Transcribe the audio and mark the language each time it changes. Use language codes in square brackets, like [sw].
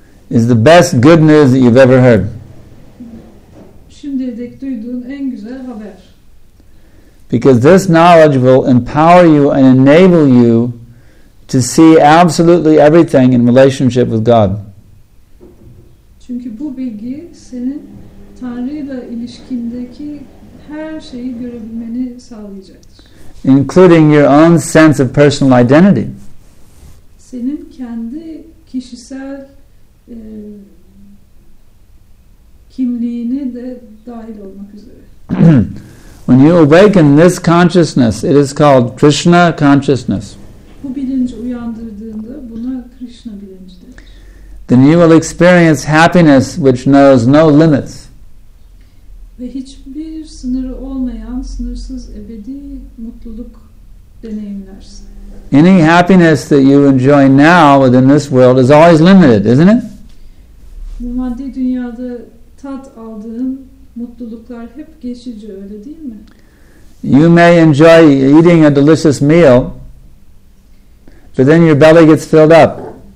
[en] is the best good news that you've ever heard. [tr] Şimdiye dek duyduğun en güzel haber. [en] Because this knowledge will empower you and enable you to see absolutely everything in relationship with God. [tr] Çünkü bu bilgi senin Tanrı'yla ilişkindeki her şeyi görebilmeni sağlayacaktır. [en] Including your own sense of personal identity. [tr] Senin kendi kişisel kimliğine de dahil olmak üzere. [en] When you awaken this consciousness, it is called Krishna consciousness. [tr] Bu bilinci uyandırdığında buna Krishna bilinci denir. [en] Then you will experience happiness which knows no limits. [tr] Ve hiçbir sınırı olmayan, sınırsız ebedi mutluluk deneyimlersin. [en] Any happiness that you enjoy now within this world is always limited, isn't it? [tr] Bu maddi dünyada tat aldığın mutluluklar hep geçici, öyle değil mi? [en] You may enjoy eating a delicious meal, but then your belly gets filled up.